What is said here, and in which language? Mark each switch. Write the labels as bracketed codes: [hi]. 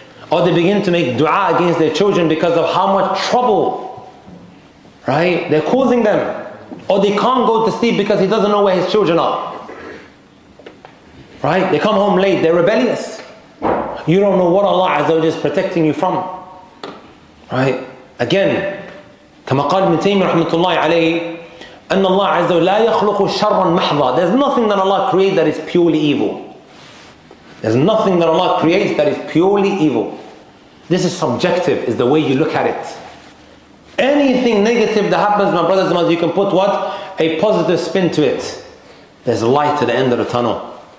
[en] Or they begin to make dua against their children because of how much trouble, right, they're causing them. Or they can't go to sleep because he doesn't know where his children are. Right? They come home late. They're rebellious. You don't know what Allah Azza wa Jalla is protecting you from. Right? Again, [ar] كما قال ابن تيمية رحمة الله عليه أن الله عز وجل لا يخلق شرا محضا. [en] There's nothing that Allah creates that is purely evil. There's nothing that Allah creates that is purely evil. This is subjective, is the way you look at it. Anything negative that happens, my brothers and sisters, you can put what? A positive spin to it. There's light at the end of the tunnel.